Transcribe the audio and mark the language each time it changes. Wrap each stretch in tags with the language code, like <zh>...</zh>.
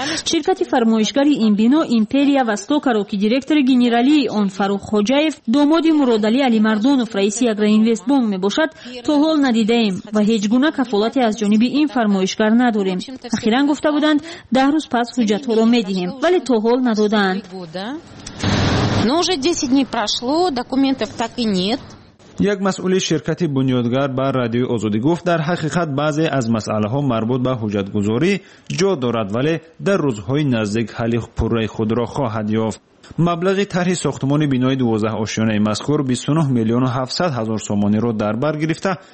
<fa>شرکت فرمایشگری این بنا ایمپریا و استوکارو که دایرکتور جنرالی آن فاروق خوجایف داماد مراد علی علی مردانوف رئیس اگرا اینوست بانک میباشد تا حال ندیده ایم و هیچ گونه کفالتی از جانب این فرمایشگر نداریم. اخیرا گفته بودند 10 روز پس حجت ها را میدهیم ولی تا حال ندادند.</fa> <ru>Но уже 10 дней прошло, документов так и нет.</ru> <fa>یک مسئول شرکت بنیادگر بر رادیو آزادی گفت در حقیقت بعضی از مسئله ها مربوط به حجت گذاری جا دارد ولی در روزهای نزدیک حل پوره خود را خواهد یافت. مبلغ طرح ساختمان بنای 12 آشیانه مذکور 29 میلیون و 700 هزار سومانی را در بر گرفته.</fa>